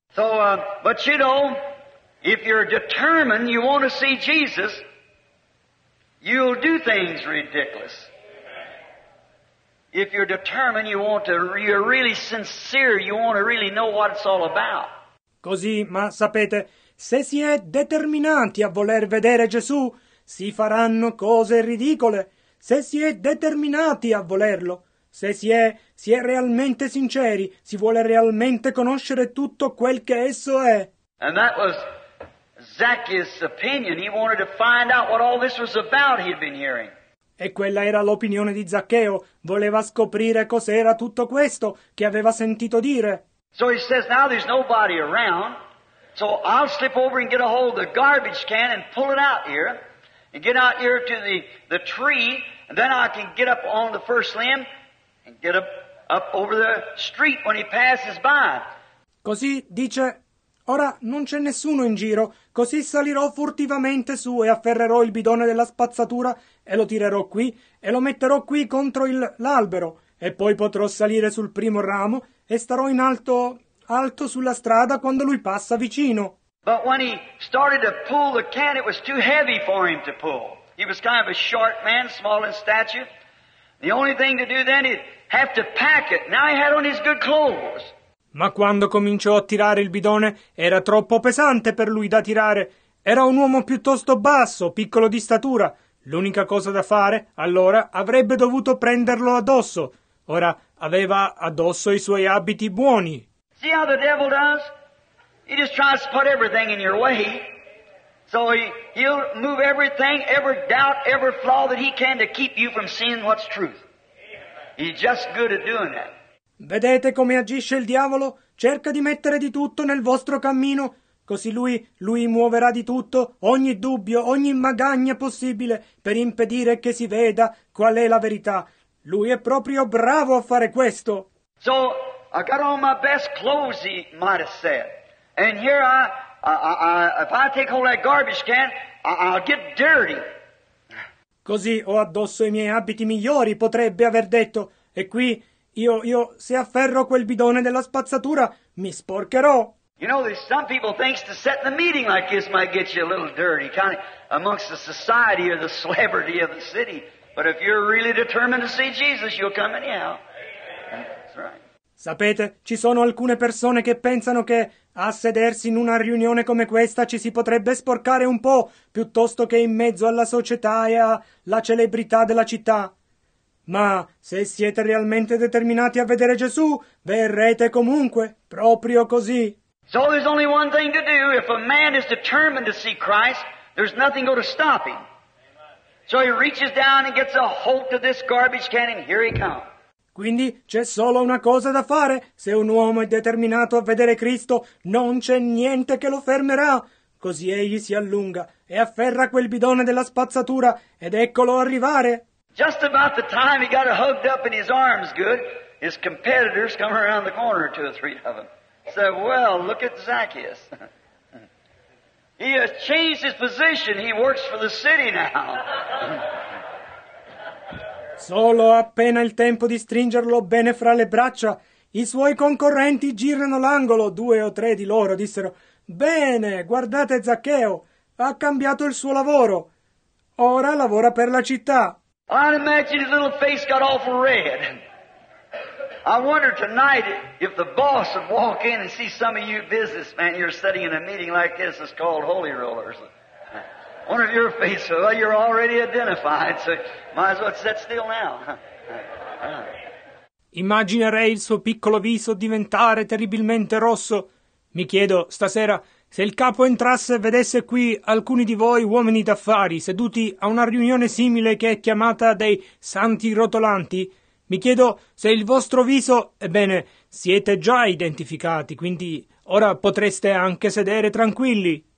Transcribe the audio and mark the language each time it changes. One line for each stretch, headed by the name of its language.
English: So, but you know, if you're determined you want to see Jesus, you'll do things ridiculous. If you're determined you want to, you're really sincere, you want to really know what it's all about.
Italian: Così, ma sapete, se si è determinati a voler vedere Gesù, si faranno cose ridicole. Se si è determinati a volerlo. Se si è realmente sinceri, si vuole realmente conoscere tutto quel che esso è.
English: And that was Zacchaeus' opinion. He wanted to find out what all this was about he'd been hearing.
Italian: E quella era l'opinione di Zaccheo. Voleva scoprire cos'era tutto questo che aveva sentito dire.
English: So he says, now there's nobody around, so I'll slip over and get a hold of the garbage can and pull it out here, and get out here to the tree, and then I can get up on the first limb and get up over the street when he passes by.
Italian: Così dice, ora non c'è nessuno in giro, così salirò furtivamente su e afferrerò il bidone della spazzatura e lo tirerò qui e lo metterò qui contro l'albero e poi potrò salire sul primo ramo e starò in alto, alto sulla strada quando lui passa vicino.
English: But when he started to pull the can, it was too heavy for him to pull. He was kind of a short man, small in stature. The only thing to do then, he'd have to pack it. Now he had on his good clothes.
Italian: Ma quando cominciò a tirare il bidone, era troppo pesante per lui da tirare. Era un uomo piuttosto basso, piccolo di statura. L'unica cosa da fare, allora, avrebbe dovuto prenderlo addosso. Ora, aveva addosso i suoi abiti buoni.
English: See how the devil does? He just tries to put everything in your way. So he'll move everything, every doubt, every flaw that he can to keep you from seeing what's truth. He's just good at doing that.
Italian: Vedete come agisce il diavolo? Cerca di mettere di tutto nel vostro cammino. Così lui muoverà di tutto, ogni dubbio, ogni magagna possibile, per impedire che si veda qual è la verità. Lui è proprio bravo a fare questo.
English: So, I got all my best clothes, he might have said. And here if I take hold of that garbage can, I'll get dirty.
Italian: Così ho addosso i miei abiti migliori, potrebbe aver detto. E qui... Io se afferro quel bidone della spazzatura mi sporcherò.
English: You know, there's some people thinks to set the meeting like this might get you a little dirty, kind of amongst the society or the celebrity of the city. But if you're really determined to see Jesus, you'll come anyhow. That's right.
Italian: Sapete, ci sono alcune persone che pensano che a sedersi in una riunione come questa ci si potrebbe sporcare un po', piuttosto che in mezzo alla società e alla celebrità della città. Ma se siete realmente determinati a vedere Gesù, verrete comunque, proprio così.
English: So there's only one thing to do. If a man is determined to see Christ, there's nothing going to stop him. So he reaches down and gets a hold of this garbage can and here he comes.
Italian: Quindi c'è solo una cosa da fare. Se un uomo è determinato a vedere Cristo, non c'è niente che lo fermerà. Così egli si allunga e afferra quel bidone della spazzatura ed eccolo arrivare.
English: Just about the time he got it hugged up in his arms good, his competitors come around the corner, two or three of them. Said, well, look at Zacchaeus. He has changed his position. He works for the city now.
Italian: Solo appena il tempo di stringerlo bene fra le braccia, i suoi concorrenti girano l'angolo. Due o tre di loro dissero, bene, guardate Zaccheo, ha cambiato il suo lavoro. Ora lavora per la città.
English: I'd imagine his little face got awful red. I wonder tonight if the boss would walk in and see some of you businessmen you're sitting in a meeting like this that's called Holy Rollers. Wonder if your face, well, you're already identified, so might as well sit still now.
Italian: Immaginerei il suo piccolo viso diventare terribilmente rosso. Mi chiedo, stasera, se il capo entrasse e vedesse qui alcuni di voi uomini d'affari seduti a una riunione simile che è chiamata dei Santi Rotolanti, mi chiedo se il vostro viso, ebbene, siete già identificati, quindi ora potreste anche sedere tranquilli.